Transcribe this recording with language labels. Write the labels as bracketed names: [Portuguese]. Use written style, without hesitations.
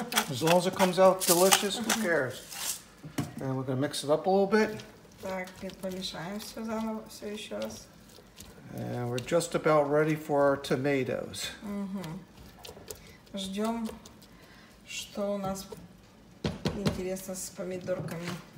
[English] As long as it comes out delicious, who cares? And we're gonna mix it up a little bit. [Russian] Так, помешаем все заново, все еще раз. [English] And we're just about ready for our tomatoes. [Russian] Ждем, что у нас интересно с помидорками.